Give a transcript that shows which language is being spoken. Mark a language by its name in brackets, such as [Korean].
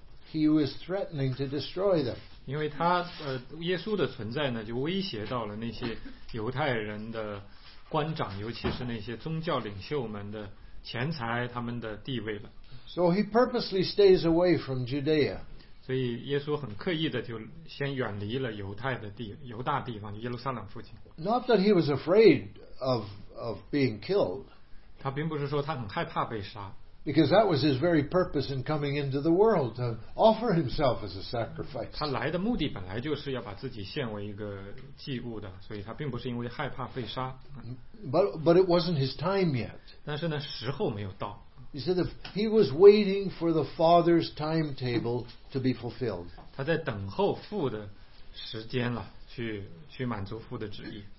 [English] He was threatening to destroy them. [Chinese] 因为他耶稣的存在呢，就威胁到了那些犹太人的官长，尤其是那些宗教领袖们的钱财，他们的地位了。 [English] So he purposely stays away from Judea. [Chinese] 所以耶稣很刻意的就先远离了犹太的地，犹大地方，耶路撒冷附近。 [English] Not that he was afraid of being killed. [Chinese] 他并不是说他很害怕被杀。 [English] Because that was his very purpose in coming into the world, to offer himself as a sacrifice. [Chinese] 他来的目的本来就是要把自己献为一个祭物的，所以他并不是因为害怕被杀。 [English] But it wasn't his time yet. [Chinese] 但是呢，时候没有到。 [English] He said that he was waiting for the Father's timetable to be fulfilled. [Chinese] 他在等候父的时间了，去满足父的旨意。